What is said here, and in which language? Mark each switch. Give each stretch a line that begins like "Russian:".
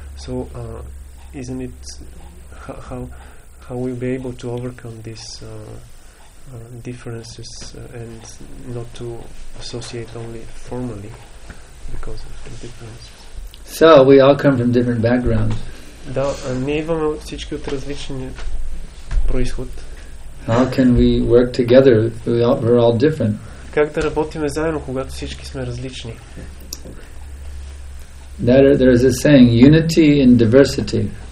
English: So isn't it how we'll be able to overcome these differences and not to associate only formally because of the differences? So we all come from different backgrounds.
Bulgarian: Да, ние имаме всички от различен происход.
English: How can we work together? We're all different.
Bulgarian: Как да работим заедно, когато всички сме различни?
English: There is a saying, unity in diversity.